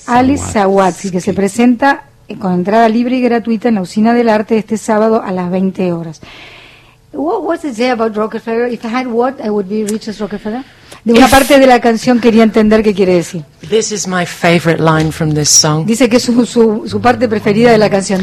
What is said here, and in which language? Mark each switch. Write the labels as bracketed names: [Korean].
[Spanish] Alice Zawadski, que se presenta con entrada libre y gratuita en la Usina del Arte este sábado a las 20 horas. [English] What was it say about Rockefeller? If I had what, I would be rich as Rockefeller? [Spanish] De una parte de la canción quería entender qué quiere decir. [English] This is my favorite line from this song. [Spanish] Dice que es su parte preferida de la canción.